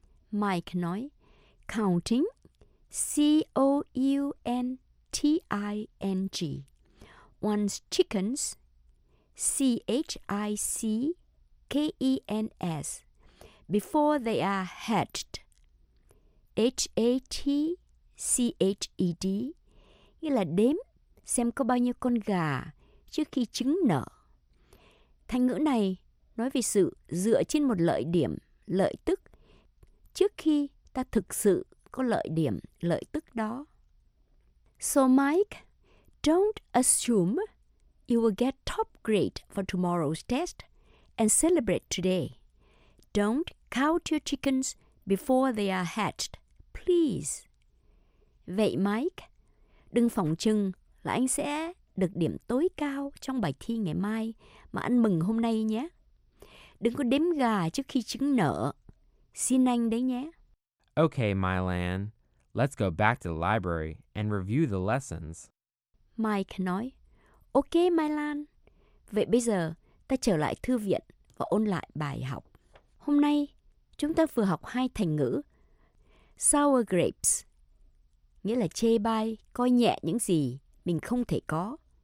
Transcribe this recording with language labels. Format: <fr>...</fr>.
<en>Mike nói, counting, C-O-U-N-T-I-N-G, one's chickens, C-H-I-C-K-E-N-S, before they are hatched.</en> <vi>H-A-T-C-H-E-D, nghĩa là đếm xem có bao nhiêu con gà trước khi trứng nở. Thành ngữ này nói về sự dựa trên một lợi điểm, lợi tức trước khi ta thực sự có lợi điểm, lợi tức đó.</vi> <en>So Mike, don't assume you will get top grade for tomorrow's test and celebrate today. Don't count your chickens before they are hatched, please.</en> <vi>Vậy Mike, đừng phỏng chừng là anh sẽ được điểm tối cao trong bài thi ngày mai mà anh mừng hôm nay nhé. Đừng có đếm gà trước khi trứng nở. Xin anh đấy nhé.</vi> <en>Okay, Mylan, let's go back to the library and review the lessons.</en> <vi>Mike nói, okay, Mylan. Vậy bây giờ, ta trở lại thư viện và ôn lại bài học. Hôm nay, chúng ta vừa học hai thành ngữ. Sour grapes, nghĩa là chê bai, coi nhẹ những gì mình không thể có.</vi>